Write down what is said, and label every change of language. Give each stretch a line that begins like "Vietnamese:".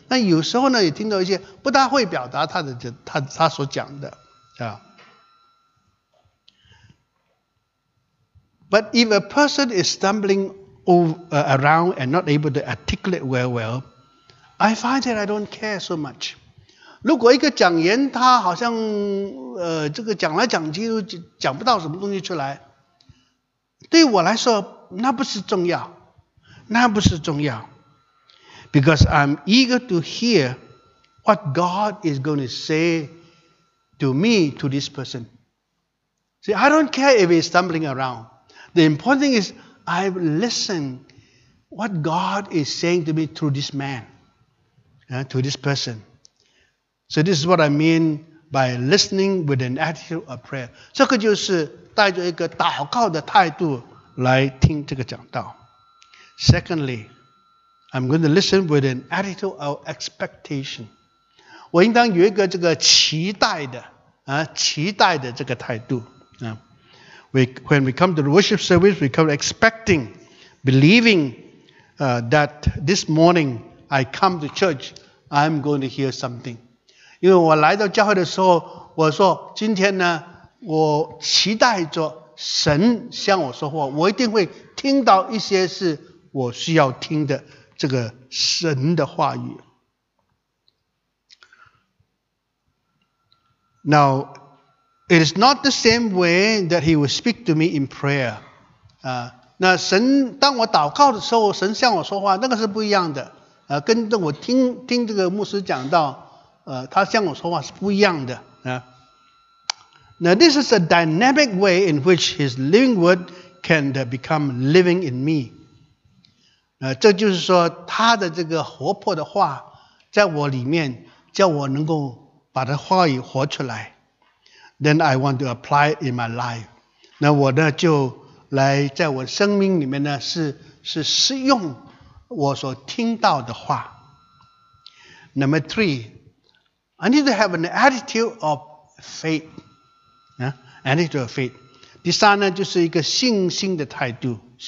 Chinese: 那有时候呢，也听到一些不大会表达他所讲的，啊。
English: But if a person is stumbling around and not able to articulate well, I find that I don't care so much.
Chinese: 如果一个讲员他好像这个讲来讲去都讲不到什么东西出来，对我来说那不是重要，那不是重要。
English: Because I'm eager to hear what God is going to say to me to this person. See, I don't care if he's stumbling around. The important thing is, I've listened what God is saying to me through this man, to this person. So this is what I mean by listening with an attitude of prayer.
Chinese: 这个就是带着一个祷告的态度来听这个讲道。
English: Secondly, I'm going to listen with an attitude of expectation.
Chinese: 我应当有一个这个期待的这个态度。
English: When we come to the worship service, we come expecting, believing that this morning I come to church, I'm going to hear something.
Chinese: 因为我来到教会的时候，我说今天呢，我期待着神向我说话，我一定会听到一些是我需要听的这个神的话语。
English: Now,It is not the same way that he will speak to me in prayer.
Chinese: 那神当我祷告的时候，神向我说话，那个是不一样的。跟着我听这个牧师讲到，他向我说话是不一样的。
English: Now this is a dynamic way in which his living word can become living in me.
Chinese: 这就是说他的这个活泼的话在我里面，叫我能够把他话语活出来。
English: Then I want to apply it in my life.
Chinese: 那我呢就来在我生命里面呢是适用我所听到的话。
English: Number three, I need to have an attitude of faith. Attitude of faith.
Chinese: 第三呢就是一个信心的态度。